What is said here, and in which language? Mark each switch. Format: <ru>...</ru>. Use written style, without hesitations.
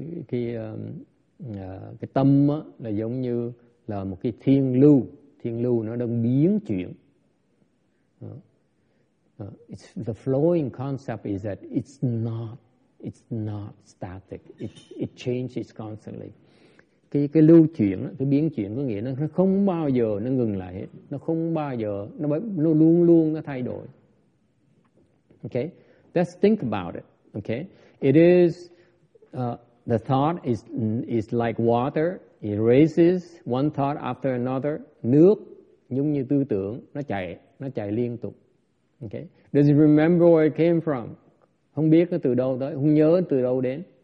<vi>Cái tâm á là giống như là một cái thiên lưu nó đang biến chuyển.</vi> <en>It's the flowing concept is that it's not static. It changes constantly.</en> <vi>Cái lưu chuyển, cái biến chuyển có nghĩa nó không bao giờ nó ngừng lại hết, nó không bao giờ nó luôn luôn nó thay đổi.</vi> <en>Okay, let's think about it. Okay, it is the thought is like water. It raises one thought after another.</en> <vi>Nước giống như tư tưởng, nó chạy liên tục.</vi> <en>Okay, does it remember where it came from?</en> <vi>Không biết nó từ đâu tới, không nhớ từ đâu đến.</vi>